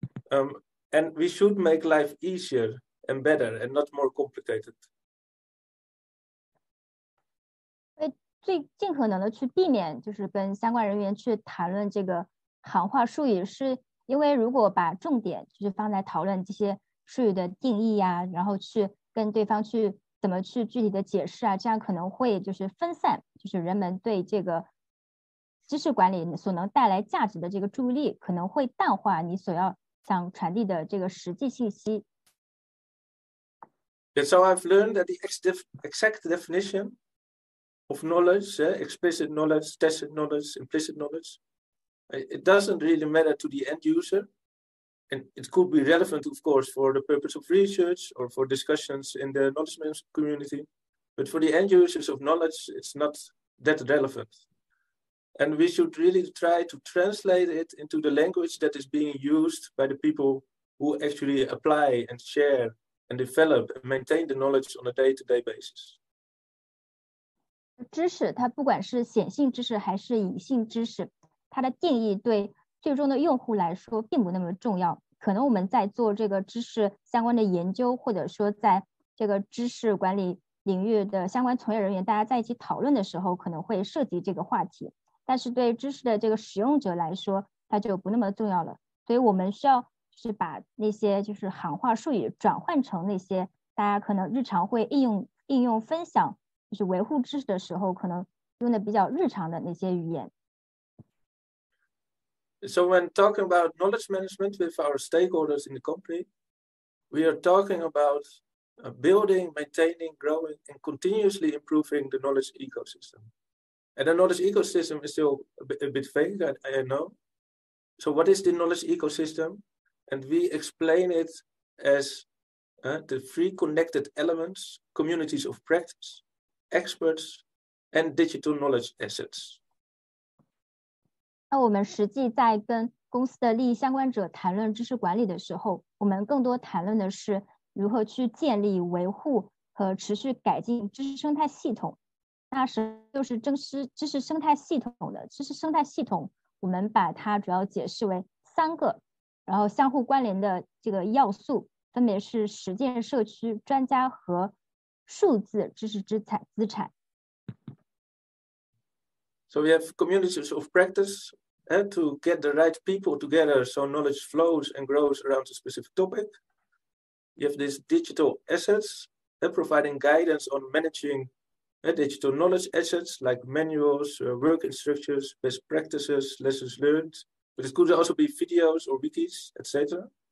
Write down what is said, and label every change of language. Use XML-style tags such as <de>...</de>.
<en>And we should make life easier and better and not more complicated.</en> <zh>最尽可能的去避免就是跟相关人员去谈论这个行话术语，是因为如果把重点就是放在讨论这些术语的定义啊，然后去跟对方去怎么去具体的解释啊，这样可能会就是分散就是人们对这个知识管理所能带来价值的这个注意力，可能会淡化你所要想传递的这个实际信息。</zh> <en>Yeah, so I've learned that the exact definition of knowledge, explicit knowledge, tacit knowledge, implicit knowledge, it doesn't really matter to the end user. And it could be relevant, of course, for the purpose of research or for discussions in the knowledge management community. But for the end users of knowledge, it's not that relevant. And we should really try to translate it into the language that is being used by the people who actually apply and share and develop and maintain the knowledge on a day-to-day basis.</en> <zh>知识它不管是显性知识还是隐性知识，它的定义对最终的用户来说并不那么重要。可能我们在做这个知识相关的研究，或者说在这个知识管理领域的相关从业人员，大家在一起讨论的时候可能会涉及这个话题，但是对知识的这个使用者来说它就不那么重要了。所以我们需要是把那些就是行话术语转换成那些大家可能日常会应用分享就是维护知识的时候可能用的比较日常的那些语言。</zh> <en>So when talking about knowledge management with our stakeholders in the company, we are talking about building, maintaining, growing, and continuously improving the knowledge ecosystem. And the knowledge ecosystem is still a bit vague, I know. So what is the knowledge ecosystem? And we explain it as the three connected elements, communities of practice, experts, and digital knowledge assets.</en> <zh>那我们实际在跟公司的利益相关者谈论知识管理的时候，我们更多谈论的是如何去建立、维护和持续改进知识生态系统。那什么就是知识生态系统的？知识生态系统，我们把它主要解释为三个，然后相互关联的这个要素，分别是实践、社区、专家和数字知识资产。</zh> <en>So we have communities of practice, and to get the right people together so knowledge flows and grows around a specific topic. You have these digital assets, providing guidance on managing digital knowledge assets like manuals, work instructions, best practices, lessons learned, but it could also be videos or wikis, etc.</en>